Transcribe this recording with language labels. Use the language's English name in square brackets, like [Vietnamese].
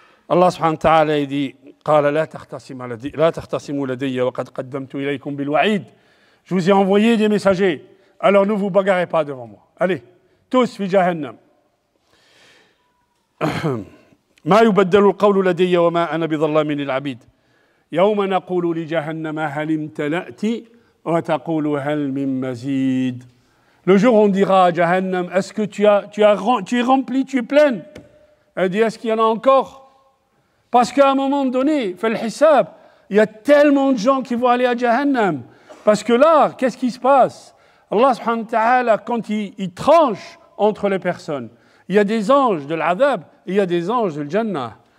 [Arabic] الله سبحانه وتعالى يدي قال لا تختصموا لدي وقد قدمت إليكم بالوعيد. [French] Je vous ai envoyé des messagers, alors ne vous bagarrez pas devant moi. Allez, tous [Arabic] fi jahannam. ما يبدل القول لدي وما أنا بظلام للعبيد. يوم نقول لجهنم هل امتلأت وتقول هل من مزيد. [French] Le jour on dira à Jahannam, est-ce que tu es rempli, tu es plein? Elle dit, est-ce qu'il y en a encore? Parce qu'à un moment donné, fais le hisab, il y a tellement de gens qui vont aller à Jahannam. Parce que là, qu'est-ce qui se passe? Allah subhanahu wa ta'ala, quand il tranche entre les personnes, il y a des anges de l'adab, il y a des anges de l'jannah.